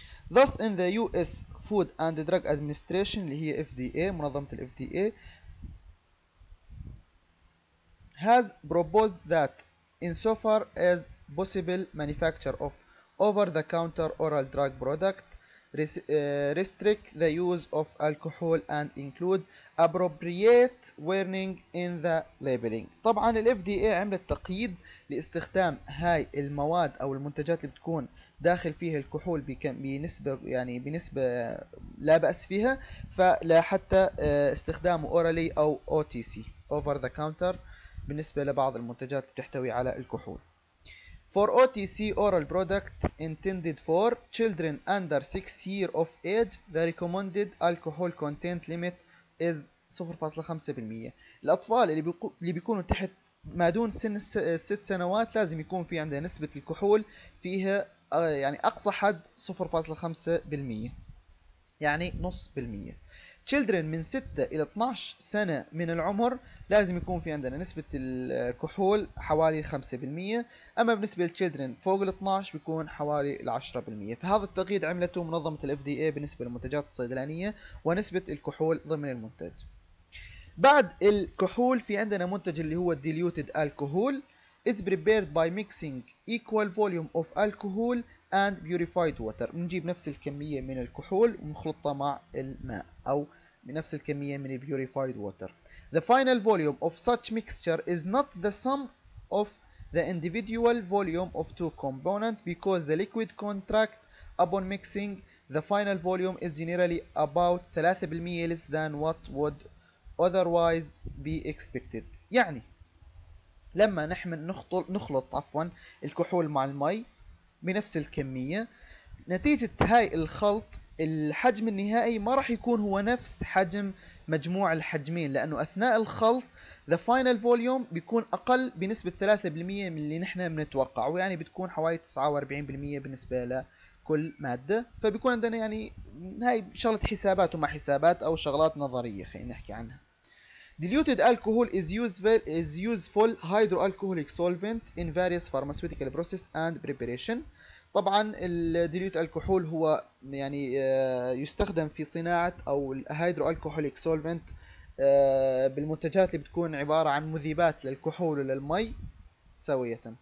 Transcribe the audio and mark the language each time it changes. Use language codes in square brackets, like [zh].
[en] Thus in the US Food and Drug Administration [ar] اللي هي FDA، منظمه الاف دي اي [en] has proposed that in so far as possible manufacture of over the counter oral drug product restrict the use of alcohol and include appropriate warning in the labeling. [ar] طبعا ال FDA عملت تقييد لاستخدام هاي المواد او المنتجات اللي بتكون داخل فيها الكحول بنسبة يعني بنسبة لا بأس فيها، فلا حتى استخدامه orally او OTC [en] over the counter [ar] بالنسبة لبعض المنتجات اللي بتحتوي على الكحول. [en] For OTC oral product intended for children under 6 years of age, the recommended alcohol content limit is 0.5%. [ar] الأطفال اللي بيكونوا تحت ما دون سن 6 سنوات لازم يكون في عندها نسبة الكحول فيها يعني اقصى حد 0.5%، يعني نص بالمية. children من 6 الى 12 سنة من العمر لازم يكون في عندنا نسبة الكحول حوالي 5%، اما بالنسبة للchildren فوق ال 12 بيكون حوالي 10%. فهذا التقييد عملته منظمة الـ FDA بالنسبة للمنتجات الصيدلانية ونسبة الكحول ضمن المنتج. بعد الكحول في عندنا منتج اللي هو [en] diluted alcohol is prepared by mixing equal volume of alcohol and purified water. [ar] نجيب نفس الكمية من الكحول ومخلطة مع الماء، أو بنفس الكمية من [en] purified water. The final volume of such mixture is not the sum of the individual volume of two components because the liquid contract upon mixing. The final volume is generally about 3% less than what would otherwise be expected. [ar] يعني لما نحن نخلط الكحول مع المي بنفس الكمية، نتيجة هاي الخلط الحجم النهائي ما راح يكون هو نفس حجم مجموع الحجمين، لأنه أثناء الخلط [en] the final volume [ar] بيكون أقل بنسبة 3% من اللي نحن بنتوقع، ويعني بتكون حوالي 49% بالنسبة لكل مادة. فبيكون عندنا يعني هاي شغلة حسابات وما حسابات أو شغلات نظرية خلينا نحكي عنها. [en] Diluted alcohol is useful hydroalcoholic solvent in various pharmaceutical process and preparation. [ar] طبعا الديلوت الكحول هو يعني يستخدم في صناعة أو ال [en] hydroalcoholic solvent [ar] بالمنتجات اللي بتكون عبارة عن مذيبات للكحول وللمي سوية.